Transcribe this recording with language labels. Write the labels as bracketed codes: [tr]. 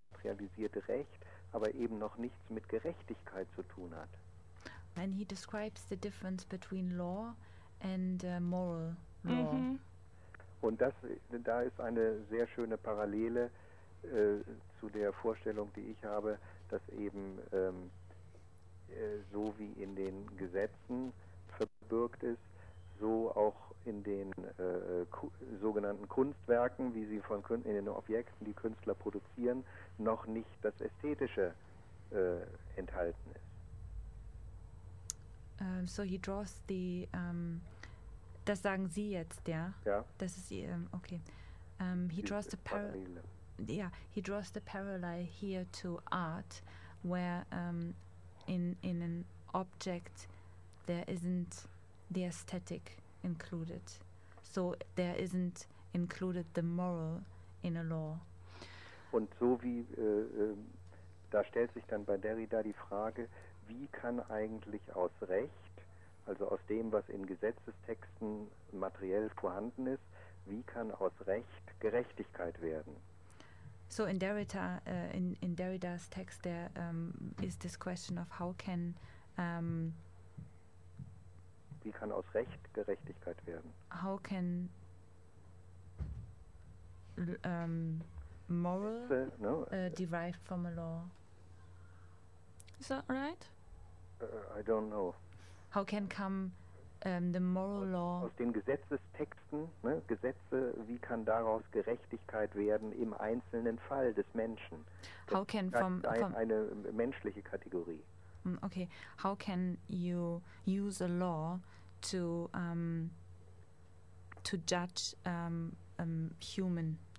[de] materialisierte Recht, aber eben noch nichts mit Gerechtigkeit zu tun hat. [en] And he describes the difference between law and moral law. Mhm. [de] Und da ist eine sehr schöne Parallele zu der Vorstellung, die ich habe, dass eben so wie in den Gesetzen verbirgt ist, so auch in den sogenannten Kunstwerken, wie sie in den Objekten, die Künstler produzieren, noch nicht das Ästhetische enthalten ist. [en] So he draws the, [de] das sagen Sie jetzt, ja? Ja. Das ist, okay. He die [en] draws the [de] Parallele. [en] Yeah, he draws the parallel here to art, where in an object there isn't the aesthetic included. So there isn't included the moral in a law. [de] Und so wie, da stellt sich dann bei Derrida die Frage, wie kann eigentlich aus Recht, also aus dem, was in Gesetzestexten materiell vorhanden ist, Wie kann aus Recht Gerechtigkeit werden? [en] So in Derrida, in Derrida's text, there is this question of how can [de] wie kann aus Recht Gerechtigkeit werden? [en] How can moral derived from a law? Is that right? I don't know. How can come the moral law [de] aus den Gesetzestexten, ne, Gesetze, wie kann daraus Gerechtigkeit werden im einzelnen Fall des Menschen? [en] How can from, [de] eine menschliche Kategorie. [en] Okay, how can you use a law to judge human